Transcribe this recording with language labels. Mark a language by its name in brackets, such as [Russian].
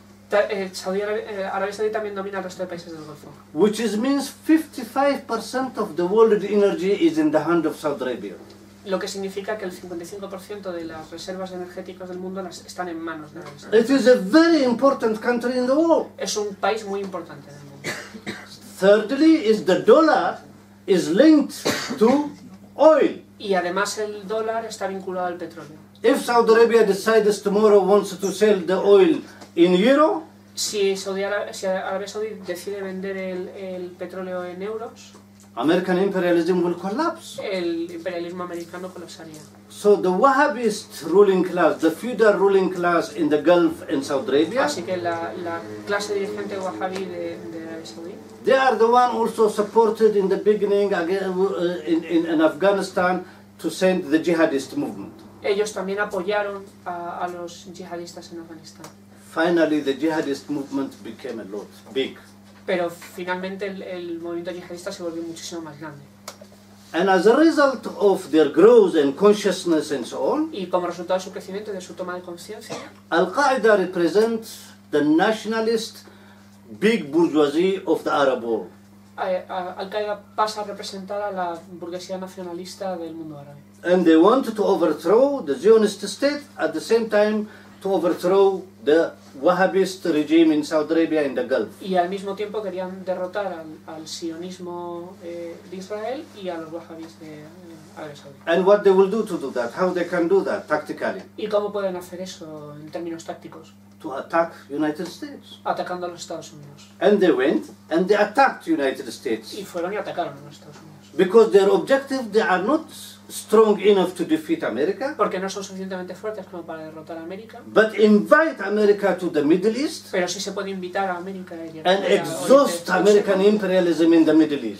[Spanish] Arabia Saudí también domina el resto de países del Golfo. [English] Which is means 55% of the world energy is in the hand of Saudi Arabia. [Spanish] Lo que significa que el 55% de las reservas energéticas del mundo están en manos de Arabia [English] Saudí. It is a very important country in the world. [Spanish] Es un país muy importante en el mundo. [English] Thirdly, is the dollar is linked to oil. [Spanish] Y además el dólar está vinculado al petróleo. [English] If Saudi Arabia decides tomorrow wants to sell the oil in euro. [Spanish] Si Arabia Saudí decide vender el petróleo en euros. [English] American imperialism will collapse. [Spanish] El imperialismo americano colapsaría. [English] So the Wahhabist ruling class, the feudal ruling class in the Gulf and Saudi Arabia. [Spanish] Así que la clase dirigente wahhabí de Arabia Saudí. [English] They are the one also supported in the beginning again in Afghanistan to send the jihadist movement. [Spanish] Ellos también apoyaron a los yihadistas en Afganistán. [English] Finally, the jihadist movement became a lot big. [Spanish] Pero finalmente el movimiento yihadista se volvió muchísimo más grande. [English] And as a result of their growth and consciousness and so on. [Spanish] Y como resultado de su crecimiento y de su toma de conciencia. [English] Al-Qaeda represents the nationalist big bourgeoisie of the Arab world. [Spanish] Al-Qaeda pasa a representar a la burguesía nacionalista del mundo árabe. [English] And they want to overthrow the Zionist state at the same time to overthrow the Wahhabist regime in Saudi Arabia in the Gulf. [Spanish] Y al mismo tiempo querían derrotar al sionismo de Israel y a los wahhabis de Arabia Saudí. [English] And what they will do that? How they can do that tactically? [Spanish] ¿Y cómo pueden hacer eso en términos tácticos? [English] To attack United States. [Spanish] Atacando a los Estados Unidos. [English] And they went and they attacked United States. [Spanish] Y fueron y atacaron a los Estados Unidos. [English] Because their objective, they are not strong enough to defeat America. [Spanish] Porque no son suficientemente fuertes como para derrotar a América. [English] But invite America to the Middle East. [Spanish] Pero sí se puede invitar a América y a [English] and exhaust American imperialism in the Middle East.